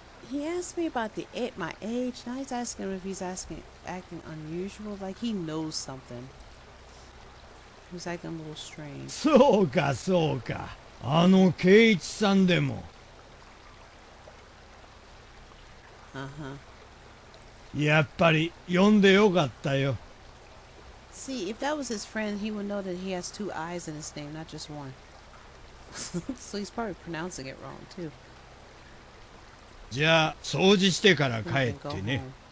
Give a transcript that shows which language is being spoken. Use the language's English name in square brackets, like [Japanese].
[English] He asked me about my age. Now he's asking him if he's acting unusual, like he knows something. He was acting a little strange. [Japanese] そうかそうか.あの圭一さんでも. Uh-huh. やっぱり呼んでよかったよ. [English] See, if that was his friend, he would know that he has two eyes in his name, not just one. So he's probably pronouncing it wrong, too. [Japanese] じゃあ掃除してから帰ってね。